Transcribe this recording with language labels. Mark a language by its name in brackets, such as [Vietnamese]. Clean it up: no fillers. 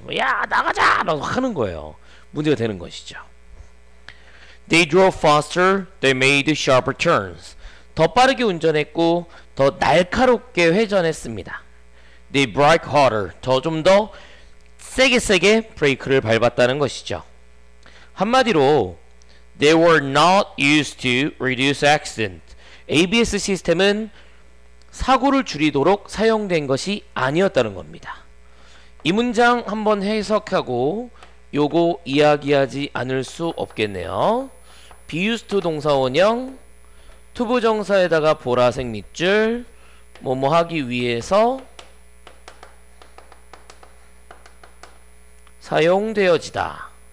[Korean] 뭐, 야, 나가자! 라고 하는 거예요. 문제가 되는 것이죠. [English] They drove faster, they made sharper turns. [Korean] 더 빠르게 운전했고, 더 날카롭게 회전했습니다. [English] They brake harder. [Korean] 더 좀 더 세게 브레이크를 밟았다는 것이죠. 한마디로, [English] They were not used to reduce accident. [Korean] ABS 시스템은 사고를 줄이도록 사용된 것이 아니었다는 겁니다. 이 문장 한번 해석하고 요거 이야기하지 않을 수 없겠네요. Be used to 동사 원형, 투부정사에다가 보라색 밑줄, 뭐뭐 하기 위해서 사용되어지다.